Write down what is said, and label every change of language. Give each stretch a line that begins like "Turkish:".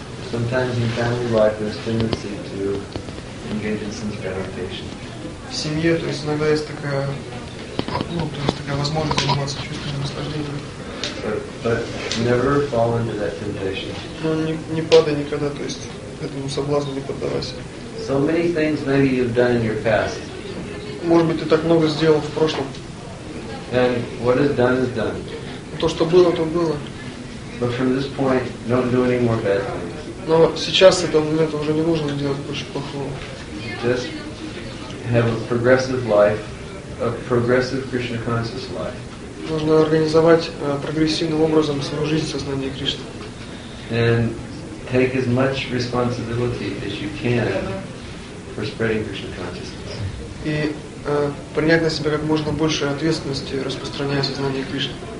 English: Sometimes in family life there's a tendency to engage in sense gratification.
Russian: В семье, то есть иногда есть такая, ну, то есть такая возможность заниматься чувствами наслаждения.
English: But never fall into that temptation.
Russian: Ну, не падай никогда, то есть этому соблазну не поддавайся.
English: So many things maybe you've done in your past.
Russian: Может быть, ты так много сделал в прошлом.
English: And what is done is done.
Russian: То, что было, то было.
English: But from this point, don't do any more bad things.
Russian: Но сейчас это уже не нужно делать больше плохого.
English: Just have a progressive life, a progressive Krishna conscious life.
Russian: Нужно организовать прогрессивным образом свою жизнь сознания Кришны.
English: And take as much responsibility as you can for spreading Krishna consciousness.
Russian: И принять на себя как можно больше ответственности, распространяя сознание Кришны.